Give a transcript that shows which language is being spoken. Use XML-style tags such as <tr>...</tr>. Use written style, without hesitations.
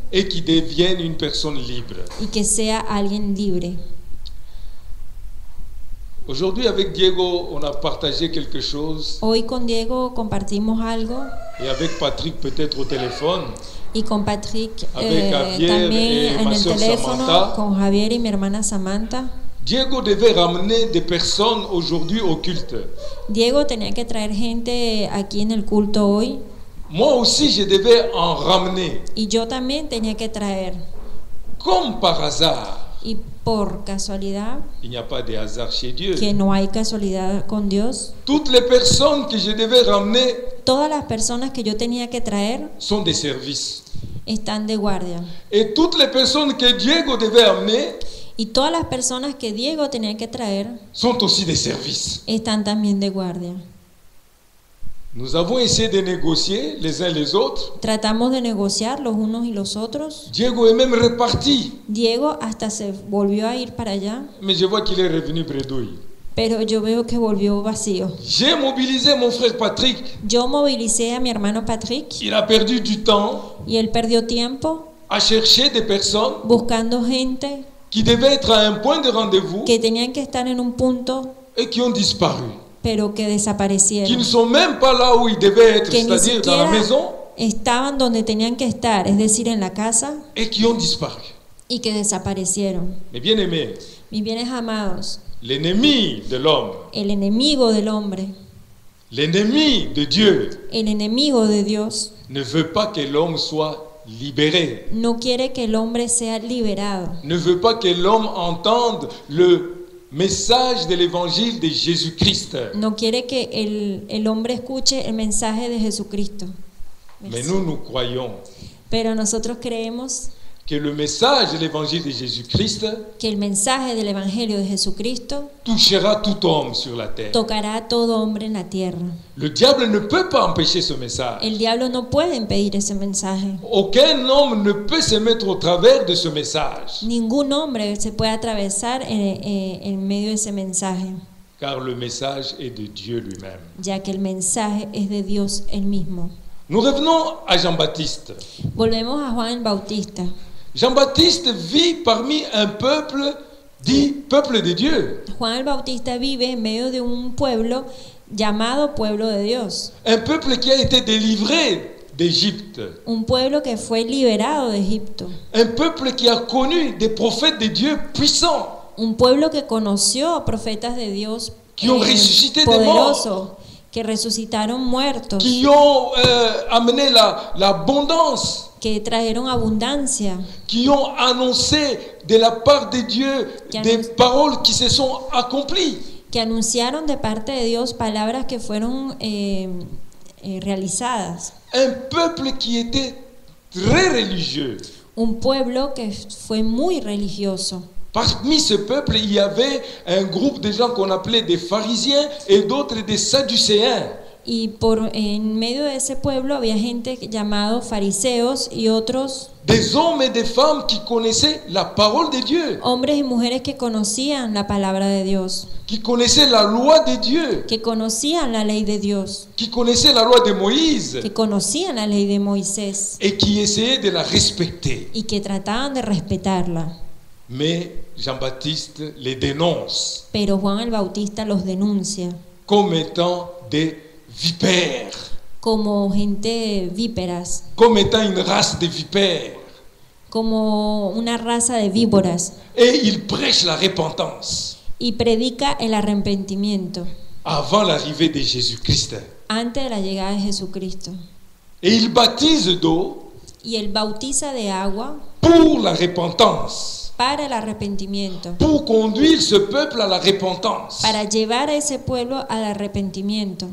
<fr>et qui devienne une personne libre,</fr> <es>y que sea alguien libre.</es> <fr>Aujourd'hui avec Diego on a partagé quelque chose.</fr> <es>Hoy con Diego compartimos algo.</es> <fr>Et avec Patrick peut-être au téléphone.</fr> <es>Y con Patrick también en el teléfono, Samantha, con Javier y mi hermana Samantha.</es> <fr>Diego debe ramener des personnes aujourd'hui au culte.</fr> <es>Diego tenía que traer gente aquí en el culto hoy.</es> <fr>Moi aussi je devais en ramener.</fr> <es>Y yo también tenía que traer.</es> <fr>Comme par hasard.</fr> <es>Y por casualidad.</es> <fr>Il n'y a pas de hasard chez Dieu.</fr> <es>Que no hay casualidad con Dios.</es> <fr>Toutes les personnes que je devais ramener.</fr> <es>Todas las personas que yo tenía que traer</es> <fr>son de service.</fr> <es>Están de guardia.</es> <fr>Et toutes les personnes que Diego devait amener.</fr> <es>Y todas las personas que Diego tenía que traer</es> <fr>sont aussi de service.</fr> <es>Están también de guardia.</es> <fr>Nous avons essayé de négocier les uns les autres.</fr> <es>Tratamos de negociar los unos y los otros.</es> <fr>Diego est même reparti.</fr> <es>Diego hasta se volvió a ir para allá.</es> <fr>Mais je vois qu'il est revenu bredouille.</fr> <es>Pero yo veo que volvió vacío.</es> <fr>J'ai mobilisé mon frère Patrick.</fr> <es>Yo movilicé a mi hermano Patrick.</es> <fr>Il a perdu du temps.</fr> <es>Y él perdió tiempo.</es> <fr>À chercher des personnes.</fr> <es>Buscando gente.</es> <fr>Qui devait être à un point de rendez-vous.</fr> <es>Que tenían que estar en un punto.</es> <fr>Et qui ont disparu.</fr> <es>Pero que desaparecieron.</es> <fr>Qui ne sont même pas là où ils devaient être, c'est-à-dire dans la maison.</fr> <es>Estaban donde tenían que estar, es decir, en la casa.</es> <fr>Et qui ont disparu.</fr> <es>Y que desaparecieron.</es> <fr>Mes bien-aimés.</fr> <es>Mis bienes amados.</es> <fr>L'ennemi de l'homme.</fr> <es>El enemigo del hombre.</es> <fr>L'ennemi de Dieu.</fr> <es>El enemigo de Dios.</es> <fr>Ne veut pas que l'homme soit libéré.</fr> <es>No quiere que el hombre sea liberado.</es> <fr>Ne veut pas que l'homme entende le message de l'évangile de Jésus-Christ.</fr> <es>No quiere que el hombre escuche el mensaje de Jesucristo.</es> <fr>Mais nous nous croyons.</fr> <es>Pero nosotros creemos.</es> <fr>Que le message de l'évangile de Jésus-Christ.</fr> <es>Que el mensaje del evangelio de Jesucristo.</es> <fr>Touchera tout homme sur la terre.</fr> <es>Tocará a todo hombre en la tierra.</es> <fr>Le diable ne peut pas empêcher ce message.</fr> <es>El diablo no puede impedir ese mensaje.</es> <fr>Aucun homme ne peut se mettre au travers de ce message.</fr> <es>Ningún hombre se puede atravesar en medio de ese mensaje.</es> <fr>Car le message est de Dieu lui-même.</fr> <es>Ya que el mensaje es de Dios el mismo.</es> <fr>Nous revenons à Jean-Baptiste.</fr> <es>Volvemos a Juan Bautista.</es> <fr>Jean-Baptiste vit parmi un peuple dit peuple de Dieu.</fr> <es>Juan Bautista vive en medio de un pueblo llamado pueblo de Dios.</es> <fr>Un peuple qui a été délivré d'Égypte.</fr> <es>Un pueblo que fue liberado de Egipto.</es> <fr>Un peuple qui a connu des prophètes de Dieu puissants.</fr> <es>Un pueblo que conoció profetas de Dios</es> <fr>qui ont ressuscité des morts.</fr> <es>Que resucitaron muertos.</es> <fr>Qui ont amené l'abondance.</fr> <es>Que trajeron abundancia.</es> <fr>Qui ont annoncé de la part de Dieu des paroles qui se sont accomplies.</fr> <es>Que anunciaron de parte de Dios palabras que fueron realizadas.</es> <fr>Un peuple qui était très religieux.</fr> <es>Un pueblo que fue muy religioso.</es> <fr>Parmi ce peuple, il y avait un groupe de gens qu'on appelait des pharisiens et d'autres des sadducéens.</fr> <es>Y por en medio de ese pueblo había gente llamado fariseos y otros.</es> <fr>Des hommes et des femmes qui connaissaient la parole de Dieu.</fr> <es>Hombres y mujeres que conocían la palabra de Dios.</es> <fr>Qui connaissaient la loi de Dieu.</fr> <es>Que conocían la ley de Dios.</es> <fr>Qui connaissaient la loi de Moïse.</fr> <es>Que conocían la ley de Moisés.</es> <fr>Et qui essayaient de la respecter.</fr> <es>Y que trataban de respetarla.</es> <fr>Mais Jean-Baptiste les dénonce.</fr> <es>Pero Juan el Bautista los denuncia.</es> <fr>Comme étant des vipères.</fr> <es>Como gente víperas.</es> <fr>Comme étant une race de vipères.</fr> <es>Como una raza de víboras.</es> <fr>Et il prêche la repentance.</fr> <es>y predica el arrepentimiento</es> <fr>avant l'arrivée de Jésus-Christ.</fr> <es>Antes de la llegada de Jesucristo.</es> <fr>Et il baptise d'eau.</fr> <es>Y él bautiza de agua.</es> <fr>Pour la repentance.</fr> <es>Para el arrepentimiento.</es> <fr>Pour conduire ce peuple à la repentance.</fr> <es>Para llevar a ese pueblo al arrepentimiento.</es>